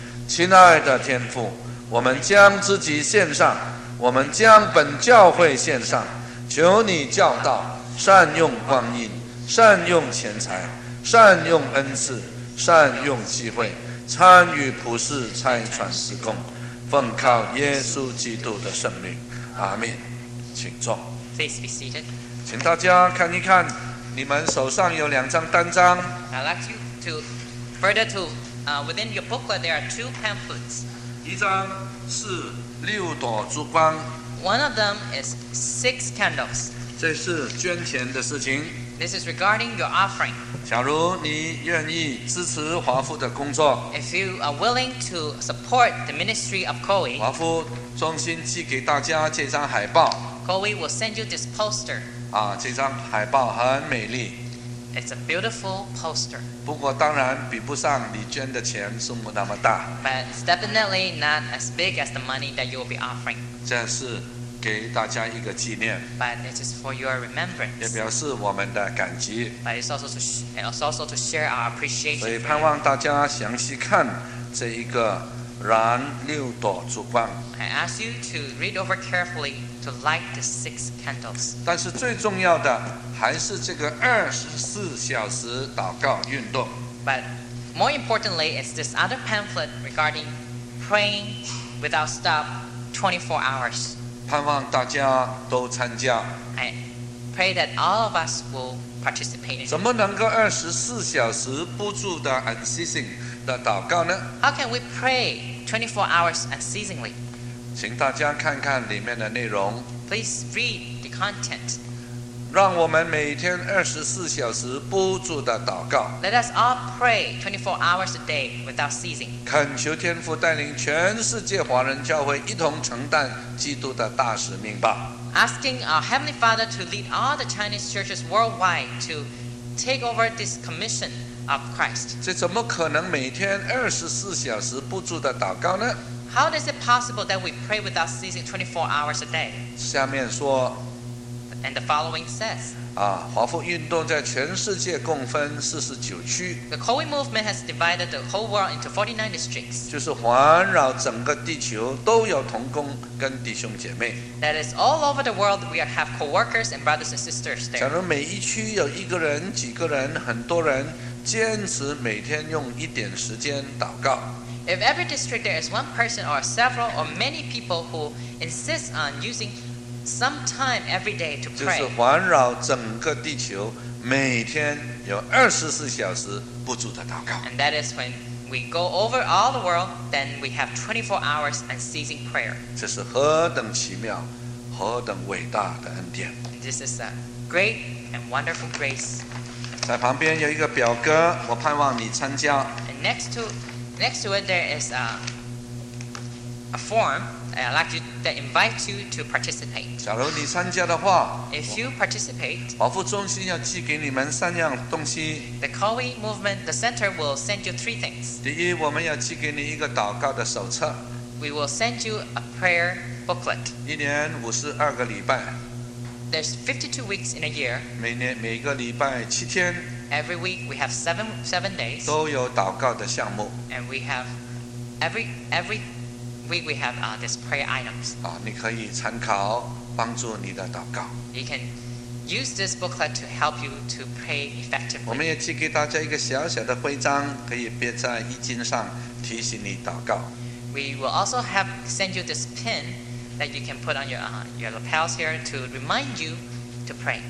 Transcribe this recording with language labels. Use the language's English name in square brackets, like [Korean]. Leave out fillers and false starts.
[Chinese] 亲爱的天父，我们将自己献上，我们将本教会献上，求你教导，善用光阴，善用钱财，善用恩赐，善用机会，参与普世差传事工，奉靠耶稣基督的圣名，阿们。请坐。 [English] Please be seated. [Chinese] 请大家看一看，你们手上有2张单张。 [English] I'd like you to further to within your booklet there are 2 pamphlets. [Chinese] 一张是6朵烛光。 [English] One of them is 6 candles. [Chinese] 这是捐钱的事情。 [English] This is regarding your offering. [Chinese] 假如你愿意支持华夫的工作， [English] If you are willing to support the ministry of Koei, [Chinese] 华夫衷心寄给大家这张海报。 [English] Koei will send you this poster. [Chinese] 啊，这张海报很美丽。 [English] It's a beautiful poster. [Chinese] 不过当然比不上你捐的钱数目那么大。 [English] But it's definitely not as big as the money that you will be offering. [Chinese] 这是给大家一个纪念， [English] But it is for your remembrance. [Chinese] 也表示我们的感激。 [English] But it's also to share our appreciation. [Chinese] 所以盼望大家详细看这一个燃6朵烛光。 [English] I ask you to read over carefully to light the 6 candles. [Chinese] 但是最重要的还是这个24小时祷告运动。 [English] But more importantly is this other pamphlet regarding praying without stop 24 hours. [Chinese] 盼望大家都参加。 [English] I pray that all of us will participate. [Chinese] 怎么能够24小时不住的 unceasing 的祷告呢？ [English] How can we pray 24 hours unceasingly? [Chinese] 请大家看看里面的内容。 [English] Please read the content. [Chinese] 让我们每天24小时不住的祷告。 [English] Let us all pray 24 hours a day without ceasing. [Chinese] 恳求天父带领全世界华人教会一同承担基督的大使命吧。 [English] Asking our Heavenly Father to lead all the Chinese churches worldwide to take over this commission of Christ. [Chinese] 这怎么可能每天24小时不住的祷告呢？ [English] How is it possible that we pray without ceasing 24 hours a day? [Chinese] 下面说。 [English] And the following says, [Chinese] 华富运动在全世界共分49区。 [English] The Kowei movement has divided the whole world into 49 districts. [Chinese] 就是环绕整个地球都有同工跟弟兄姐妹。 [English] That is all over the world we have co-workers and brothers and sisters there. [Chinese] 假如每一区有一个人、几个人、很多人坚持每天用一点时间祷告。 [English] If every district there is one person or several or many people who insist on using some time every day to pray. [Chinese] 就是环绕整个地球，每天有24小时不住的祷告。 [English] And that is when we go over all the world, then we have 24 hours unceasing prayer. [Chinese] 这是何等奇妙，何等伟大的恩典。 [English] This is a great and wonderful grace. [Chinese] 在旁边有一个表格，我盼望你参加。 [English] And next to it, there is a form. I'd like to invite you to participate. [Chinese] 假如你参加的话， [English] If you participate, [Chinese] 华富中心要寄给你们三样东西。 [English] The Kowei Movement, the center, will send you three things. [Chinese] 第一，我们要寄给你一个祷告的手册。 [English] We will send you a prayer booklet. [Chinese] 一年52个礼拜。 [English] There's 52 weeks in a year. [Chinese] 每年每个礼拜七天。 [English] Every week we have seven days. [Chinese] 都有祷告的项目。 [English] And we have every week we have these prayer items. [Chinese] 你可以参考，帮助你的祷告。 [English] You can use this booklet to help you to pray effectively. [Chinese] 我们也寄给大家一个小小的徽章，可以别在衣襟上，提醒你祷告。 [English] We will also have send you this pin that you can put on your lapels here to remind you to pray.